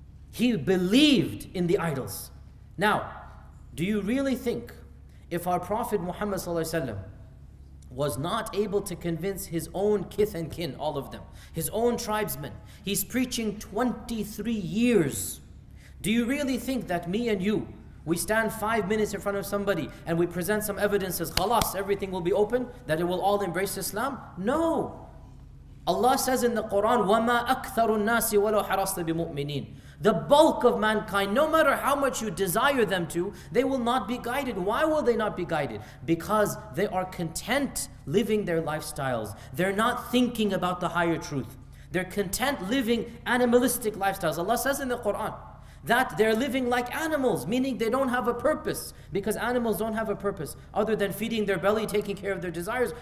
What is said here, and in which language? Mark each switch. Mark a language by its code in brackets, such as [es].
[en] He believed in the idols. Now, do you really think if our Prophet Muhammad ﷺ was not able to convince his own kith and kin, all of them, his own tribesmen, he's preaching 23 years. Do you really think that me and you, we stand 5 minutes in front of somebody and we present some evidence as khalas, everything will be open, that it will all embrace Islam? No. Allah says in the Quran, [ar] وَمَا أَكْثَرُ النَّاسِ وَلَوْ حَرَصْتَ بِمُؤْمِنِينَ. [en] The bulk of mankind, no matter how much you desire them to, they will not be guided. Why will they not be guided? Because they are content living their lifestyles. They're not thinking about the higher truth. They're content living animalistic lifestyles. Allah says in the Quran that they're living like animals, meaning they don't have a purpose, because animals don't have a purpose other than feeding their belly, taking care of their desires.